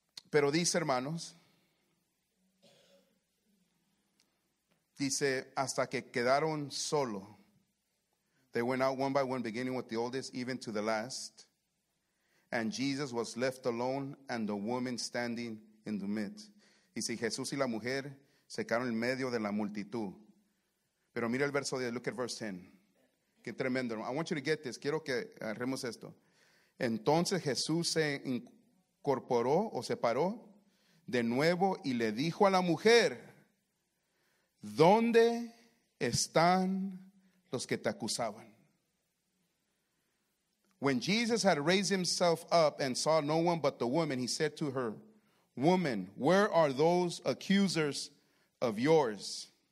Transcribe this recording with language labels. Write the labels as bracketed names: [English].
[Spanish] Pero dice, hermanos, dice, hasta que quedaron solo. [English] They went out one by one, beginning with the oldest, even to the last. And Jesus was left alone, and the woman standing in the midst. [Spanish] Dice, Jesús y la mujer se quedaron en medio de la multitud. Pero mira el verso 10, [English] look at verse 10. [Spanish] Qué tremendo. [English] I want you to get this. [Spanish] Quiero que agarremos esto. Entonces Jesús se incorporó o se paró de nuevo y le dijo a la mujer, ¿dónde están los que te acusaban? [English] When Jesus had raised himself up and saw no one but the woman, he said to her, woman, where are those accusers of yours?